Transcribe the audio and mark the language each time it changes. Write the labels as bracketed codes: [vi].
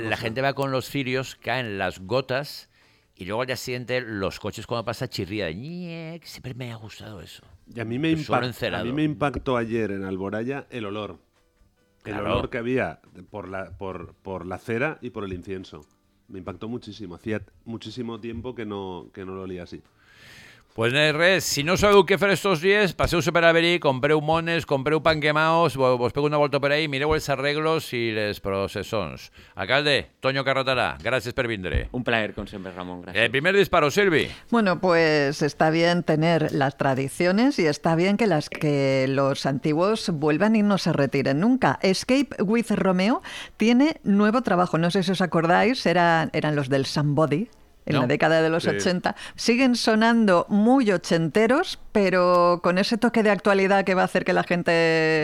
[es] la gente va con los cirios, caen las gotas y luego ya siente los coches cuando pasa chirría. ¡Niek! Siempre me ha gustado eso. Y a mí me, impactó ayer en Alboraya el olor. El claro. olor que había por la cera y por el incienso. Me impactó muchísimo. Hacía muchísimo tiempo que no lo olía así. [ca] Pues no hay res, si no sabeu què fer estos dies, passeu per Alberí, compreu mones, compreu pan quemaos, vos pego una volta per ahí, mireu els arreglos i les processons. Alcalde, Toño Carratalà, gràcies per vindre. Un plaer, com sempre, Ramon, gràcies. [es] El primer disparo, Silvi. Bueno, pues está bien tener las tradiciones y está bien que las que los antiguos vuelvan y no se retiren nunca. Escape with Romeo tiene nuevo trabajo, no sé si os acordáis, eran los del Somebody. En la década de los 80. Siguen sonando muy ochenteros, pero con ese toque de actualidad que va a hacer que la gente